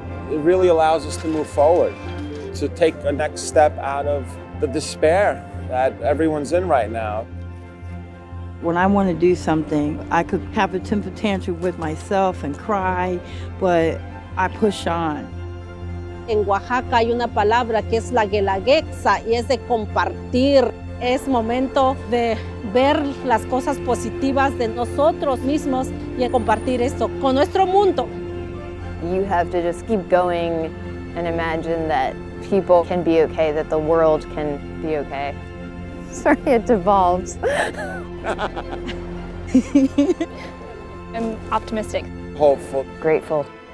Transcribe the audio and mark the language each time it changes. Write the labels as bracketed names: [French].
[English] It really allows us to move forward, to take a next step out of the despair that everyone's in right now. When I want to do something, I could have a temper tantrum with myself and cry, but I push on. [Spanish] En Oaxaca hay una palabra que es la guelaguetza, y es de compartir. Es momento de ver las cosas positivas de nosotros mismos y compartir esto con nuestro mundo. [English] You have to just keep going and imagine that people can be okay, that the world can be okay. Sorry, it devolves. I'm optimistic. Hopeful. Grateful.